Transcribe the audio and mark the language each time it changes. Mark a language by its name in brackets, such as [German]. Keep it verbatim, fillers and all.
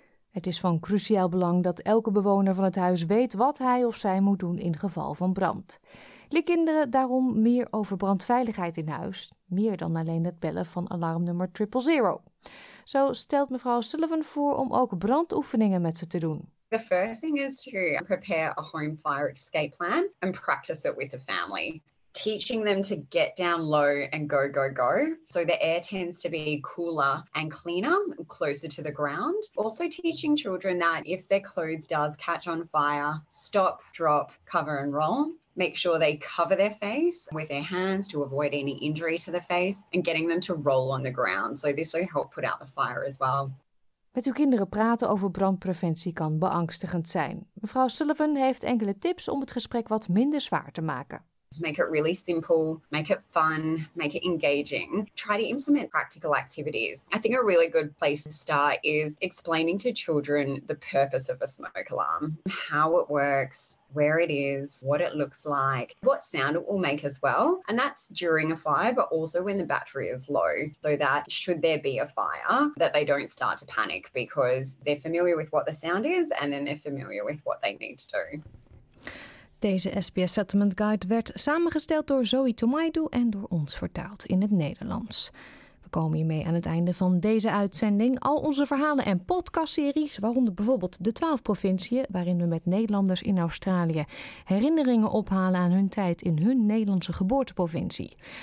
[Dutch] Het is van cruciaal belang dat elke bewoner van het huis weet wat hij of zij moet doen in geval van brand. Leer kinderen daarom meer over brandveiligheid in huis, meer dan alleen het bellen van alarmnummer triple zero. Zo stelt mevrouw Sullivan voor om ook brandoefeningen met ze te doen. [English] The first thing is to prepare a home fire escape plan and practice it with the family. Teaching them to get down low and go, go, go. So the air tends to be cooler and cleaner, closer to the ground. Also teaching children that if their clothes does catch on fire, stop, drop, cover and roll. Make sure they cover their face with their hands to avoid any injury to the face and getting them to roll on the ground. So this will help put out the fire as well. [Dutch] Met uw kinderen praten over brandpreventie kan beangstigend zijn. Mevrouw Sullivan heeft enkele tips om het gesprek wat minder zwaar te maken. [English] Make it really simple, make it fun, make it engaging. Try to implement practical activities. I think a really good place to start is explaining to children the purpose of a smoke alarm, how it works, where it is, what it looks like, what sound it will make as well. And that's during a fire, but also when the battery is low, so that should there be a fire, that they don't start to panic because they're familiar with what the sound is and then they're familiar with what they need to do. [Dutch] Deze S B S Settlement Guide werd samengesteld door Zoe Tomaidu en door ons vertaald in het Nederlands. We komen hiermee aan het einde van deze uitzending. Al onze verhalen en podcastseries, waaronder bijvoorbeeld de twaalf provinciën, waarin we met Nederlanders in Australië herinneringen ophalen aan hun tijd in hun Nederlandse geboorteprovincie.